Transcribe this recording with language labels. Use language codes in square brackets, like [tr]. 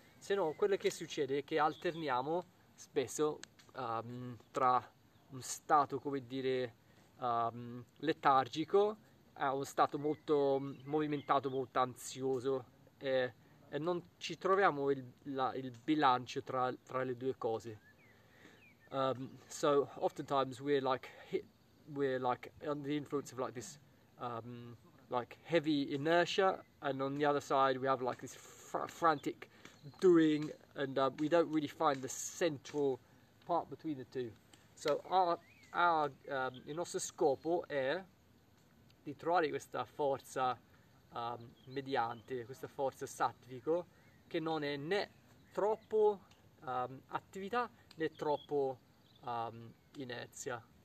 [it] Se no, quello che succede è che alterniamo spesso tra un stato, come dire, letargico a uno stato molto movimentato, molto ansioso, e non ci troviamo il bilancio tra le due cose. [en] So oftentimes we're like on the influence of like this like heavy inertia, and on the other side we have like this frantic doing, and we don't really find the central part between the two. [it] So il nostro scopo è di trovare questa forza mediante, questa forza sattvico, che non è né troppo attività né troppo inerzia.